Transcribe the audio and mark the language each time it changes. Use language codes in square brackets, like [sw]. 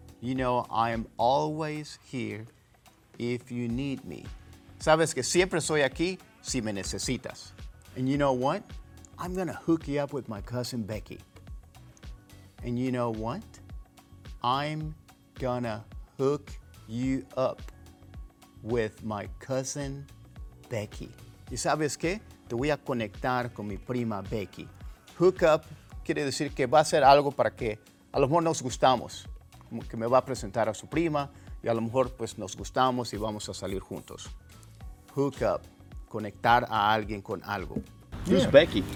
[en] You know, I'm always here if you need me. [es] Sabes que siempre soy aquí si me necesitas. [en] And you know what? I'm gonna hook you up with my cousin Becky. And you know what? I'm gonna hook you up with my cousin Becky. [es] ¿Y sabes qué? Te voy a conectar con mi prima Becky. Hook up quiere decir que va a ser algo para que a lo mejor nos gustamos. Que me va a presentar a su prima y a lo mejor pues nos gustamos y vamos a salir juntos. Hook up. Conectar a alguien con algo. [en] Who's yeah. Becky?